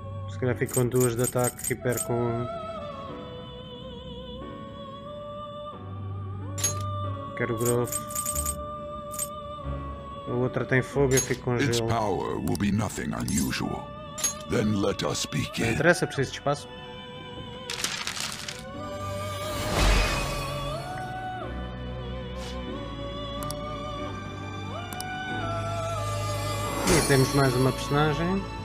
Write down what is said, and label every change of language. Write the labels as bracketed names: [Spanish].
[Portuguese] Se calhar fico com duas de ataque e perco um. Quero Grove. A outra tem fogo e eu fico com gelo. [English] Its power will be nothing unusual. Then let us begin. [Portuguese] Não interessa, preciso de espaço. Temos mais uma personagem.